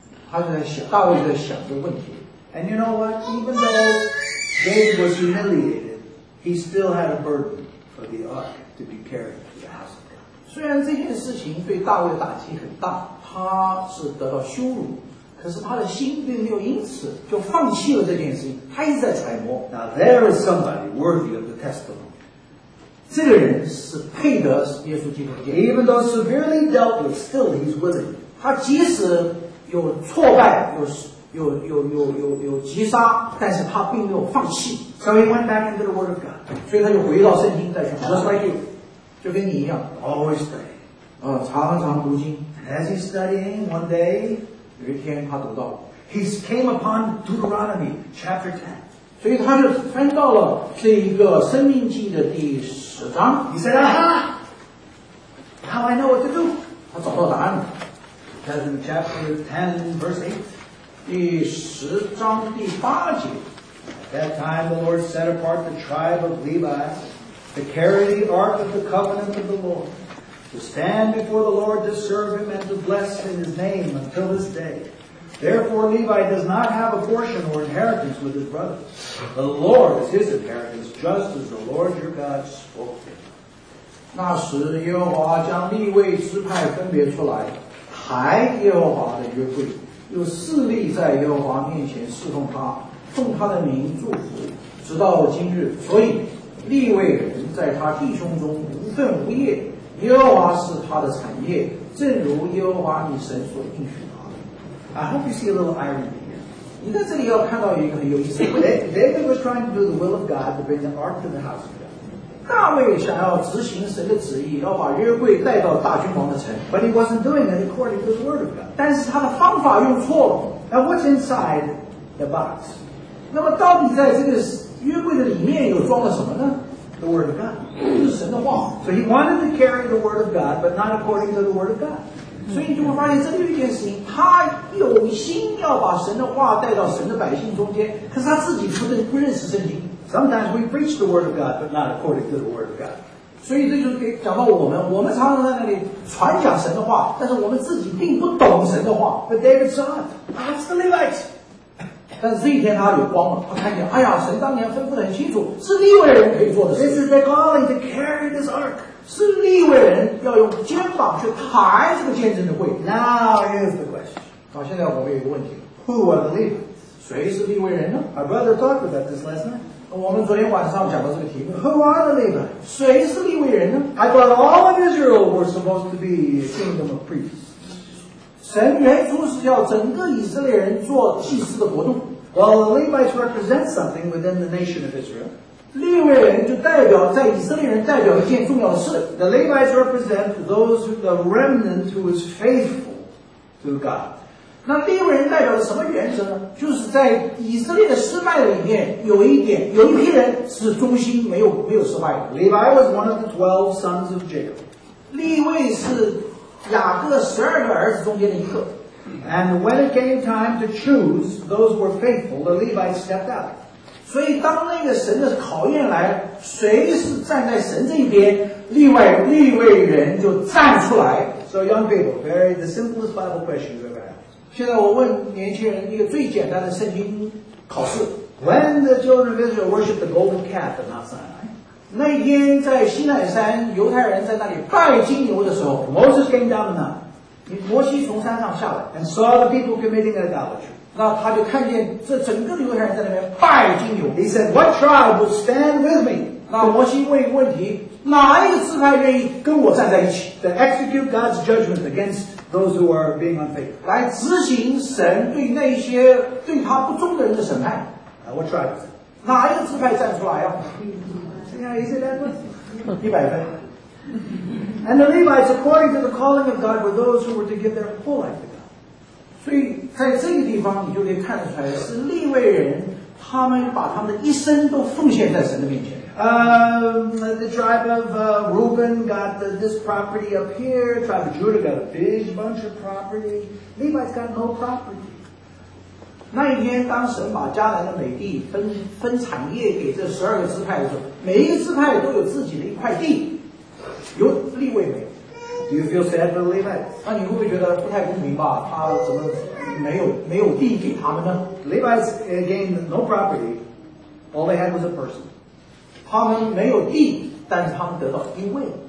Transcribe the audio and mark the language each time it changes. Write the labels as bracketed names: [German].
[Chinese] 他就在想，大卫在想这个问题。 [English] And you know what? Even though David was humiliated, he still had a burden for the ark to be carried to the house of God. [Chinese] 虽然这件事情对大卫的打击很大，他是得到羞辱。可是他的心并没有因此就放弃了这件事情，他一直在揣摩。 [English] Now there is somebody worthy of the testimony. [Chinese] 这个人是配得耶稣基督的见证。 [English] Even though severely dealt with, still he's willing. [Chinese] 他即使有挫败，有击杀，但是他并没有放弃。 [English] So he went back into the Word of God. [Chinese] 所以他就回到圣经再去。 [English] Just like you, [Chinese] 就跟你一样 [English] ，always study. [Chinese] 常常读经。 [English] As he's studying, one day. [Chinese] 有一天他读到 [English] He came upon Deuteronomy chapter 10. [Chinese] 所以他就翻到了这一个生命记的第十章。 [English] He said, aha! Now I know what to do. [Chinese] 他找到答案了。 [English] It says in chapter 10, verse 8. [Chinese] 第十章第八节。 [English] At that time the Lord set apart the tribe of Levi to carry the ark of the covenant of the Lord. To stand before the Lord to serve Him and to bless in His name until this day. Therefore, Levi does not have a portion or inheritance with his brothers. The Lord is his inheritance, just as the Lord your God spoke to him. [Chinese] 那时耶和华将利未支派分别出来，抬耶和华的约柜，又侍立在耶和华面前侍奉他，奉他的名祝福，直到今日。所以利未人在他弟兄中无份无业。耶和华是他的产业，正如耶和华你神所应许他的。 [English] I hope you see a little irony here. [Chinese] 你在这里要看到一个很有意思的。 [English] David was trying to do the will of God to bring the ark to the house of God. [Chinese] 大卫想要执行神的旨意，要把约柜带到大君王的城。 [English] But he wasn't doing it according to the word of God. [Chinese] 但是他的方法用错了。 [English] Now what's inside the box? [Chinese] 那么到底在这个约柜的里面又装了什么呢？ [English] The word of God. [Chinese] 就是神的话。 [English] So he wanted to carry the word of God, but not according to the word of God. [Chinese] 所以你就会发现这个一件事情，他有心要把神的话带到神的百姓中间，可是他自己不认识圣经。 [English] Sometimes we preach the word of God, but not according to the word of God. [Chinese] 所以这就给讲到我们常常在那里传讲神的话，但是我们自己并不懂神的话。 [English] But David saw it. That's the Levites. [Chinese] 但是这一天他有光了，他看见，哎呀，神当年吩咐得很清楚，是利未人可以做的事。 [English] This is their calling to carry this ark. [Chinese] 是利未人要用肩膀去抬这个见证的柜。 [English] Now here's the question. [Chinese] 好，现在我们有个问题。 [English] Who are the Levites? [Chinese] 谁是利未人呢？ [English] My brother talked about this last night. [Chinese] 我们昨天晚上讲到这个题目。 [English] Who are the Levites? [Chinese] 谁是利未人呢？ [English] I thought all of Israel were supposed to be a kingdom of priests. [Chinese] 神原初是要整个以色列人做祭司的活动。 [English] Well, the Levites represent something within the nation of Israel. [Chinese] 利未人就代表在以色列人代表一件重要事。 [English] The Levites represent those who, the remnant who is faithful to God. [Chinese] 那利未人代表什么原则呢？就是在以色列的失败里面，有一点，有一批人是忠心，没有失败的。 [English] Levi was one of the 12 sons of Jacob. [Chinese] 利未是雅各十二个儿子中间的一个。 [English] And when it came time to choose, those were faithful, the Levites stepped out. [Chinese] 所以当那个神的考验来，谁是站在神这一边，利未人就站出来。 [English] So young people, very the simplest Bible question you ever asked. [Chinese] 现在我问年轻人一个最简单的圣经考试。 [English] When the children of Israel worshipped the golden calf at Mount Sinai, [Chinese] 那天在西奈山犹太人在那里拜金牛的时候， [English] Moses came down the mountain. [Chinese] 摩西从山上下来 [English] and saw the people committing idolatry. [Chinese] 那他就看见这整个的犹太人在那边拜金牛。 [English] He said, "What tribe will stand with me?" [Chinese] 那摩西问一个问题，哪一个支派愿意跟我站在一起 [English] ？To execute God's judgment against those who are being unfaithful. [Chinese] 来执行神对那些对他不忠的人的审判。 [English] Now, what tribe? [Chinese] 哪一个支派站出来啊？这样一些人一百分。 [English] And the Levites, according to the calling of God, were those who were to give their whole life to God. [Chinese] 所以在这个地方你就可以看得出来是利未人他们把他们的一生都奉献在神的面前。 [English] The tribe of Reuben got this property up here. The tribe of Judah got a big bunch of property. Levites got no property. [Chinese] 那一天当神把迦南的美地 分产业给这十二个支派的时候，每一个支派都有自己的一块地。有利未没有 [English] Do you feel sad for the Levites? [Chinese] 那你会不会觉得不太公平吧？他怎么没有地给他们呢？ [English] Levites gained no property, all they had was a person. [Chinese] 他们没有地，但是他们得到地位。